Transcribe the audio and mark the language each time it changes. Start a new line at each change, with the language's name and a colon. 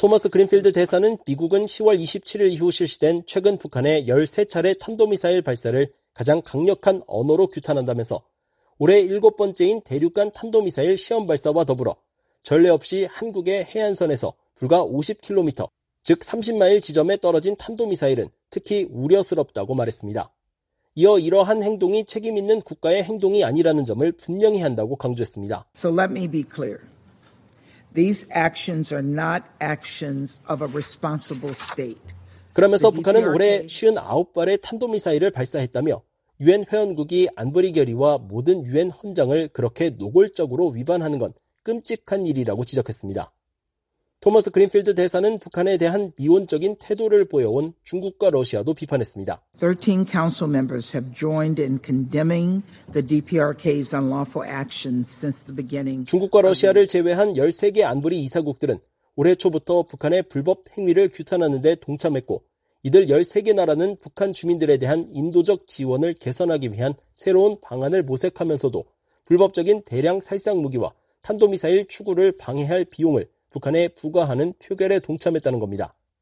Korean: 토마스 그린필드 대사는 미국은 10월 27일 이후 실시된 최근 북한의 13차례 탄도미사일 발사를 가장 강력한 언어로 규탄한다면서 올해 7번째인 대륙간 탄도미사일 시험 발사와 더불어 전례 없이 한국의 해안선에서 불과 50km, 즉 30마일 지점에 떨어진 탄도미사일은 특히 우려스럽다고 말했습니다. 이어 이러한 행동이 책임 있는 국가의 행동이 아니라는 점을 분명히 한다고 강조했습니다.
English: So let me be clear. These actions are not actions of a responsible state.
Korean: 그러면서 북한은 올해 59발의 탄도미사일을 발사했다며 유엔 회원국이 안보리 결의와 모든 유엔 헌장을 그렇게 노골적으로 위반하는 건 끔찍한 일이라고 지적했습니다. 토머스 그린필드 대사는 북한에 대한 미온적인 태도를 보여온 중국과 러시아도 비판했습니다.
English: 13 council members have joined in condemning the DPRK's unlawful actions since the beginning.
Korean: 중국과 러시아를 제외한 13개 안보리 이사국들은 올해 초부터 북한의 불법 행위를 규탄하는 데 동참했고 이들 13개 나라는 북한 주민들에 대한 인도적 지원을 개선하기 위한 새로운 방안을 모색하면서도 불법적인 대량 살상 무기와 탄도미사일 추구를 방해할 비용을 북한에 부과하는 표결에 동참했다는 겁니다.